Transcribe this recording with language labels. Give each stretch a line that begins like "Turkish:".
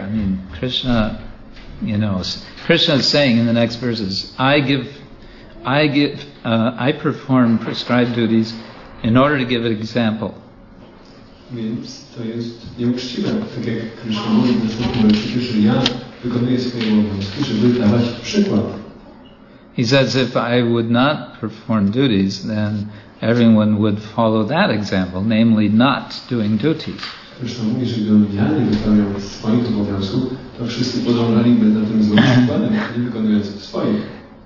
English: I mean, Krishna, you know, Krishna is saying in the next verses, I perform prescribed duties in order to give an example.
Polish: Więc to jest nieuczciwe, tak jak Krishna mówi w następnym wersie, że ja wykonuję swoje obowiązki, żeby dawać przykład.
English: He says, if I would not perform duties, then everyone would follow that example, namely not doing duties.
Polish: Krishna mówi, że gdybym ja nie wypełniał swoich obowiązków, to wszyscy podążaliby za tym złym przykładem, nie wykonując swoich.